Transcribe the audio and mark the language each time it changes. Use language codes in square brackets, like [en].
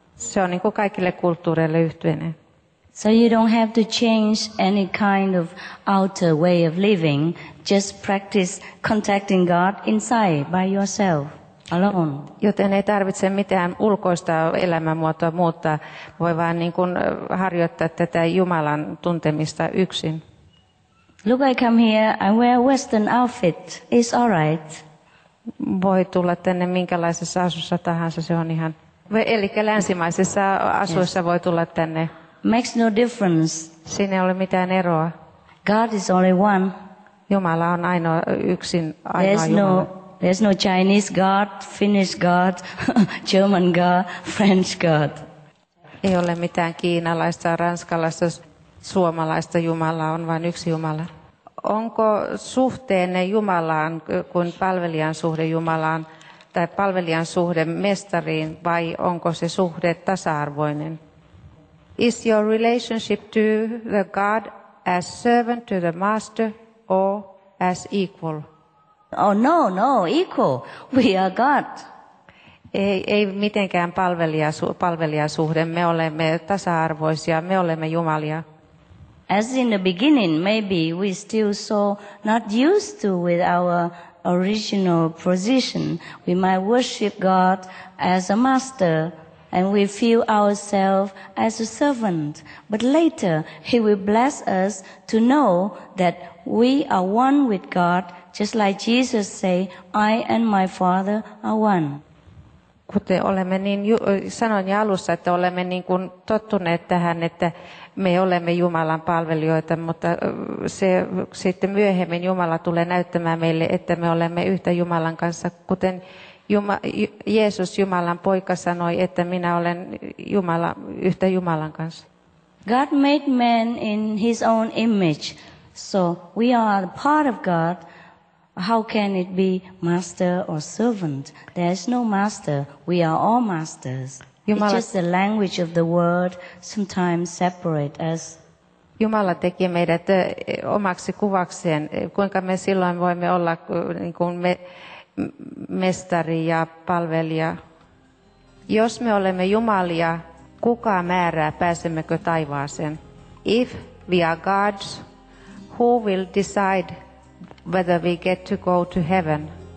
[fi] Se on niin kuin kaikille kulttuureille yhteinen. [en] So you don't have to change any kind of outer way of living. Just practice contacting God inside by yourself. Alone. [fi] Joten ei tarvitse mitään ulkoista elämänmuotoa muuttaa, voi vaan niin kuin harjoittaa tätä Jumalan tuntemista yksin. [en] Look, I come here, I wear a western outfit, it's all right. [fi] Voi tulla tänne minkälaisessa asussa tahansa, se on ihan... Eli länsimaisessa asuissa, yes. Voi tulla tänne. [en] Makes no difference. [fi] Siinä ei ole mitään eroa. [en] God is only one. [fi] Jumala on ainoa, yksin ainoa. [en] There's [fi] Jumala. [en] No... There's no Chinese God, Finnish God, German God, French God. [fi] Ei ole mitään kiinalaista, ranskalaista, suomalaista Jumalaa, on vain yksi Jumala. Onko suhteenne Jumalaan kuin palvelijan suhde Jumalaan tai palvelijan suhde mestariin, vai onko se suhde tasa-arvoinen? [en] Is your relationship to the God as servant to the master or as equal? Oh no, no, equal. We are God. [fi] Ei mitenkään palvelijasuhde. Me olemme tasa-arvoisia. Me olemme Jumalia. [en] As in the beginning, maybe we still so not used to with our original position. We might worship God as a master and we feel ourselves as a servant. But later, he will bless us to know that we are one with God. Just like Jesus say, I and my Father are one. [fi] Kuten olemme niin sanoin jo alussa, että olemme niin kuin tottuneet tähän, että me olemme Jumalan palvelijoita, mutta se sitten myöhemmin Jumala tulee näyttämään meille, että me olemme yhtä Jumalan kanssa, kuten Jeesus Jumalan poika sanoi, että minä olen yhtä Jumalan kanssa. [en] God made man in his own image. So we are part of God. How can it be master or servant? There is no master. We are all masters. Jumala, it's just the language of the word sometimes separate us. [fi] Jumala teki meidät omaksi kuvakseen. Kuinka me silloin voimme olla niin kuin mestari ja palvelija? Jos me olemme jumalia, kuka määrää pääsemmekö taivaaseen? [en] If we are gods, who will decide whether we get to go to heaven?